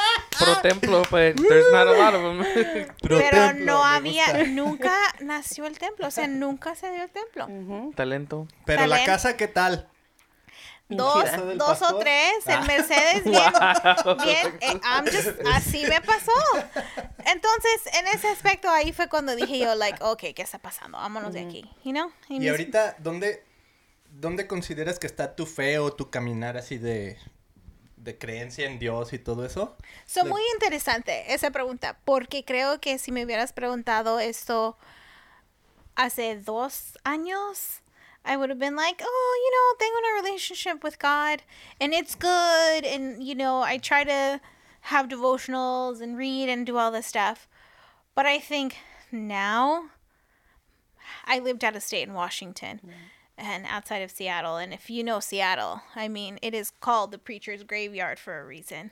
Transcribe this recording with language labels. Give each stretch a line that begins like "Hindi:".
Spanish: Pro templo,
English: but there's not a lot of them.
Spanish: Pero templo, no había, nunca nació el templo, o sea, nunca se dio el templo. Mm-hmm. Talento. Pero talento. La casa, ¿qué tal? Dos o tres, el Mercedes, bien,
English: I'm just,
Spanish: así me pasó. Entonces, en ese aspecto, ahí fue cuando dije yo,
English: like, okay,
Spanish: ¿qué está pasando? Vámonos de aquí,
English: you know?
Spanish: Y ahorita, ¿dónde consideras que está tu fe o tu caminar así de creencia en Dios y todo eso? Muy interesante esa pregunta, porque creo que si me hubieras preguntado esto hace 2 años...
English: I would have been like, oh, you know,
Spanish: tengo una
English: relationship with God, and it's good, and, you know, I try to have devotionals and read and do all this stuff. But I think now, I lived out of state in Washington and outside of Seattle, and if you know Seattle, I mean, it is called the preacher's graveyard for a reason.